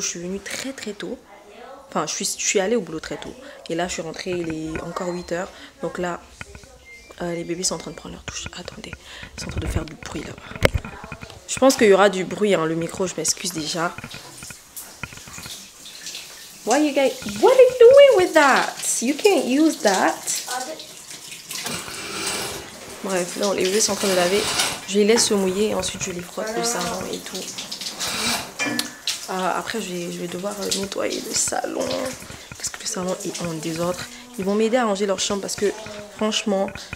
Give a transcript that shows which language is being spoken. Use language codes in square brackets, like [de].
[fr] Je suis venue très, très tôt. Enfin, je suis allée au boulot très tôt. Et là, je suis rentrée, il est encore 8 heures. Donc là... les bébés sont en train de prendre leur douche. Attendez, ils sont en train de faire du bruit là-bas. Je pense qu'il y aura du bruit, hein, le micro, je m'excuse déjà. [en] Why you guys, what are you doing with that? You can't use that. [fr] Bref, non, les bébés sont en train de laver. Je les laisse se mouiller et ensuite je les frotte le savon et tout. Après, je vais devoir nettoyer le salon. Parce que le salon est en désordre. Ils vont m'aider à ranger leur chambre parce que, franchement...